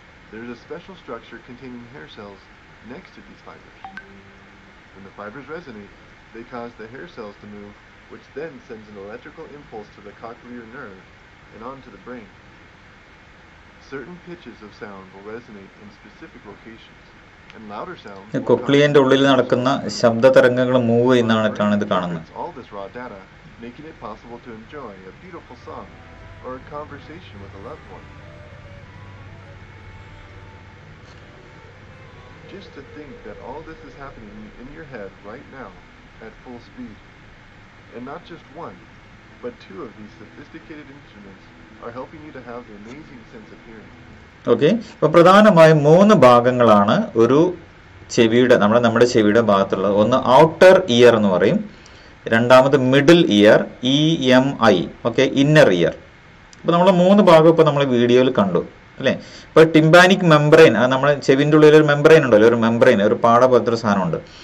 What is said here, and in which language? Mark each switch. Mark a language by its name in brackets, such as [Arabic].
[English] There is a special structure containing hair cells next to these fibers. When the fibers resonate, they cause the hair cells to move, which then sends an electrical impulse to the cochlear nerve and on to the brain. Certain pitches of sound will resonate in specific locations, and louder sounds will come. [Malayalam] കൊക്ലിയന്റെ ഉള്ളിൽ നടക്കുന്ന ശബ്ദ തരംഗങ്ങൾ move ചെയ്യുന്നതാണ് ഇത് കാണുന്നത്. [English] All this raw data making it possible to enjoy a beautiful song or a conversation with a loved one. Just to think that all this is happening in your head right now at full speed, and not just one, but two of these sophisticated instruments are helping you to have the amazing sense of hearing. [Malayalam] Okay, അപ്പോൾ പ്രധാനമായും മൂന്ന് ഭാഗങ്ങളാണ് ഒരു ചെവിയുടെ, നമ്മുടെ ചെവിയുടെ ഭാഗത്തുള്ളത്. ഒന്ന് outer year എന്ന് പറയും, രണ്ടാമത് middle year, EMI, okay, inner year. അപ്പോൾ നമ്മൾ മൂന്ന് ഭാഗം ഇപ്പോൾ നമ്മൾ വീഡിയോയിൽ കണ്ടു അല്ലേ. ഇപ്പോൾ ടിംബാനിക് മെംബ്രെയിൻ, അത് നമ്മൾ ചെവിൻ്റെ ഉള്ളിലൊരു മെംബ്രെയിൻ ഉണ്ടല്ലോ, ഒരു മെംബ്രെയിൻ, ഒരു പാട പോലത്തെ ഒരു സാധനമുണ്ട്.